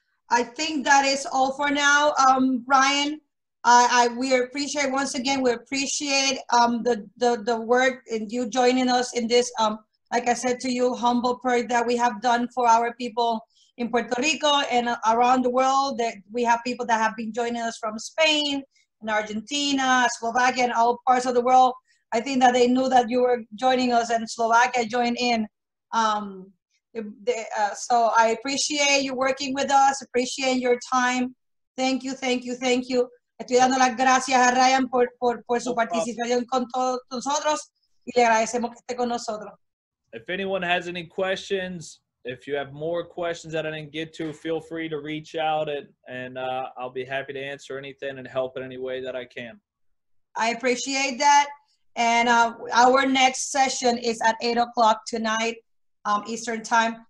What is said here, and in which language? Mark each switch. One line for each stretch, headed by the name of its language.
English: I think that is all for now, Ryan. We appreciate, once again, we appreciate the work and you joining us in this like I said to you, humble project that we have done for our people in Puerto Rico and around the world, that we have people that have been joining us from Spain and Argentina, Slovakia, and all parts of the world. I think that they knew that you were joining us and Slovakia joined in. So I appreciate you working with us, appreciate your time. Thank you, thank you, thank you.
Spanish: Estoy dando las gracias a Ryan por su participación con todos nosotros y le agradecemos que esté con nosotros.
English: If anyone has any questions, if you have more questions that I didn't get to, feel free to reach out and I'll be happy to answer anything and help in any way that I can. I appreciate that. And our next session is at 8:00 tonight, Eastern time.